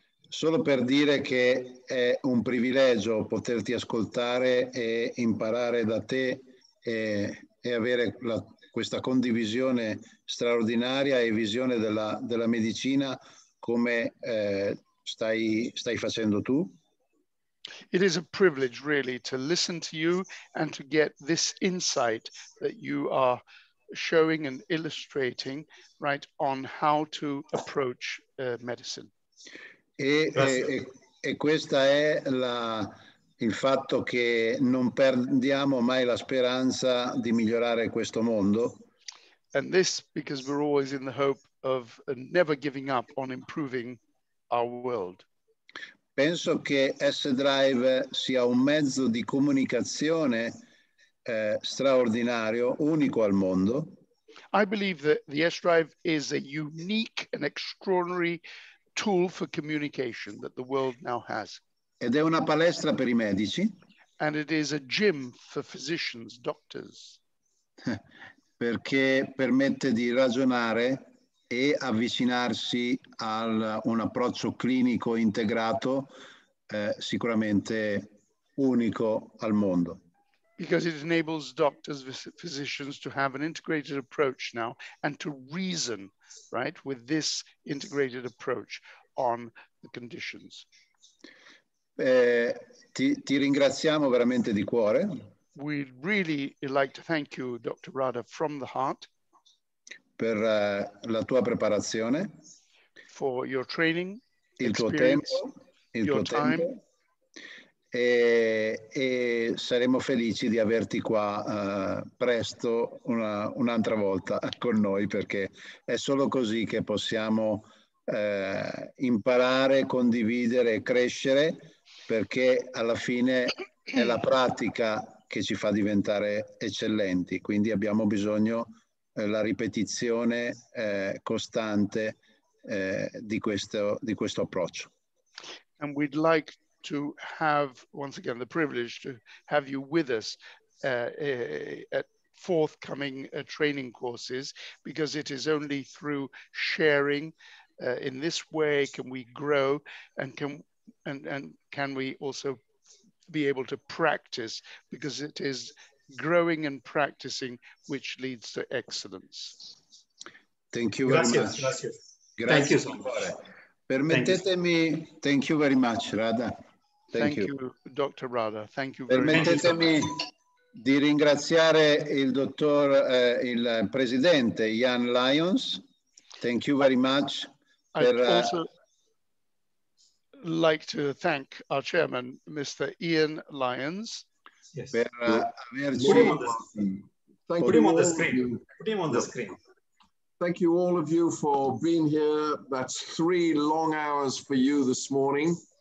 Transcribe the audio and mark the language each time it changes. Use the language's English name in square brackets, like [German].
[Italian] Solo per dire che è un privilegio poterti ascoltare e imparare da te e avere questa condivisione straordinaria e visione della medicina come stai facendo tu. [English] It is a privilege really to listen to you and to get this insight that you are showing and illustrating right on how to approach medicine. [Italian] E questa è il fatto che non perdiamo mai la speranza di migliorare questo mondo. [English] And this because we're always in the hope of never giving up on improving our world. [Italian] Penso che S-Drive sia un mezzo di comunicazione straordinario, unico al mondo. [English] I believe that the S-Drive is a unique and extraordinary tool for communication that the world now has. [Italian] Ed è una palestra per i medici. [English] And it is a gym for physicians, doctors. [Italian] Perché permette di ragionare e avvicinarsi al un approccio clinico integrato, sicuramente unico al mondo. [English] Because it enables doctors, physicians to have an integrated approach now and to reason, right, with this integrated approach on the conditions. [Italian] Ti ringraziamo veramente di cuore. [English] We'd really like to thank you, Dr. Radha, from the heart. [Italian] Per la tua preparazione. [English] For your training. [Italian] Il tuo tempo. Il tuo time. Tempo. E saremo felici di averti qua presto un'altra volta con noi, perché è solo così che possiamo imparare, condividere e crescere, perché alla fine è la pratica che ci fa diventare eccellenti, quindi abbiamo bisogno della ripetizione costante di questo approccio. [English] And we'd like to have once again the privilege to have you with us at forthcoming training courses, because it is only through sharing in this way can we grow, and can we also be able to practice, because it is growing and practicing which leads to excellence. Thank you very [Italian] grazie, [English] much. [Italian] Grazie. [English] Thank you. [Italian] Permettetemi, [English] thank you very much, Radha. Thank you, Dr. Radha. Thank you very much. [Italian] Permettetemi di ringraziare il dottor, il presidente Jan Lyons. [English] Thank you very much. I'd also like to thank our chairman, Mr. Ian Lyons. Yes. [Italian] Per averci. [English] Put him on the screen. Thank you all of you for being here. That's three long hours for you this morning.